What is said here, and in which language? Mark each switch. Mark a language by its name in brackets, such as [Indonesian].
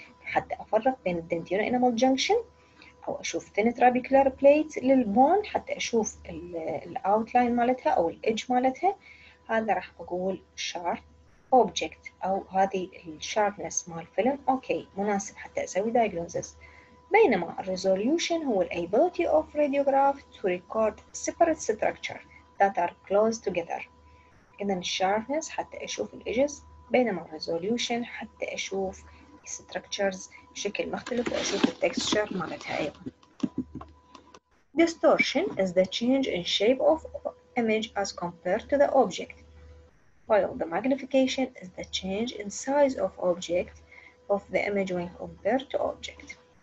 [Arabic] حتى أفرق بين الدنتين enamel junction أو أشوف thin trabecular plate للبون حتى أشوف الأوتلاين مالتها أو الإج مالتها، هذا راح أقول sharp object أو هذه الشاربنس مال فيلم أوكي مناسب حتى أسوي diagnosis. [English] بينما resolution هو the ability of radiograph to record separate structure that are close together. [Arabic] إذن sharpness حتى أشوف الإجز، بينما resolution حتى أشوف structures بشكل مختلف وأشوف التكستشر مالتها أيضا. [English] Distortion is the change in shape of image as compared to the object. While the magnification is the change in size of object of the image when compared to object.